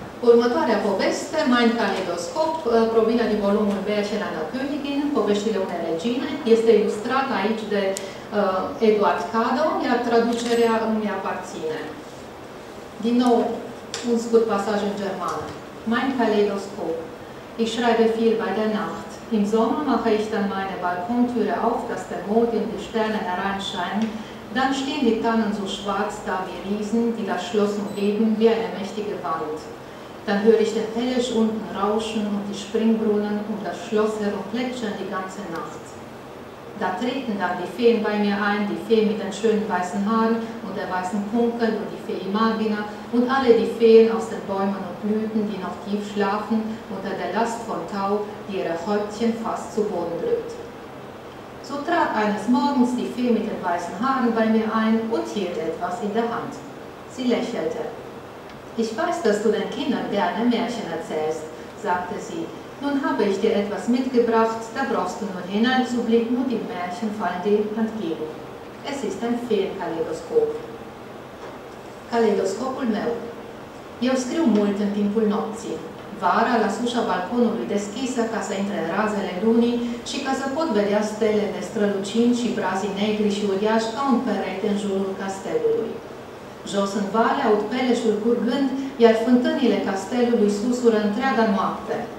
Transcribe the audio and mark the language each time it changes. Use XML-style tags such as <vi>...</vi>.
<ro>Următoarea poveste, Mein Kaleidoskop, provine din volumul Bärchenlande Königin, Poveștile unei regine, este ilustrat aici de Eduard Kado, iar traducerea îmi aparține. Din nou, un scurt pasaj în germană.</ro> <de>Mein Kaleidoskop. Ich schreibe viel bei der Nacht. Im Sommer mache ich dann meine Balkontüre auf, dass der Mond in die Sterne hereinscheint. Dann stehen die Tannen so schwarz da wie Riesen, die das Schloss umgeben wie eine mächtige Wand. Dann höre ich den Pelsch unten rauschen und die Springbrunnen um das Schloss herum plätschern die ganze Nacht. Da treten dann die Feen bei mir ein, die Feen mit den schönen weißen Haaren und der weißen Kunkel und die Fee Imagina und alle die Feen aus den Bäumen und Blüten, die noch tief schlafen unter der Last von Tau, die ihre Häubchen fast zu Boden drückt. So trat eines Morgens die Fee mit den weißen Haaren bei mir ein und hielt etwas in der Hand. Sie lächelte. Ich weiß, dass du den Kindern gerne Märchen erzählst, sagte sie. Nun habe ich dir etwas mitgebracht, da brauchst du nur hineinzublicken und die Märchen fallen dir entgegen. Es ist ein Feenkaleidoskop.</de> <ro>Kaleidoskopul meu. Eu scriu mult în timpul nopții. Vara, la ușa balconului deschisă ca să intre razele lunii și ca să pot vedea stelele strălucind și brazii negri și uriași ca un perete în jurul castelului. Jos în vale aud peleșul curgând, iar fântânile castelului susură întreaga noapte.</ro>